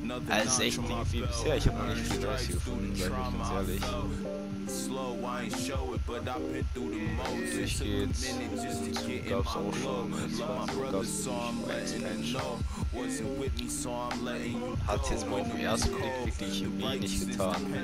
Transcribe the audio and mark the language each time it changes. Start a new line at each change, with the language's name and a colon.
German: Alles echt ein Ding wie bisher. Ich habe noch nicht viel Neues hier gefunden, sag ich ganz ehrlich.
English: Slow, I ain't show it, but I've been through the most. It took a minute just to get in my flow. Love my brother, so I'm letting him know. Wasn't with me, so I'm letting you go.
German: Hat jetzt mal auf den ersten Blick wirklich irgendwie nicht getan.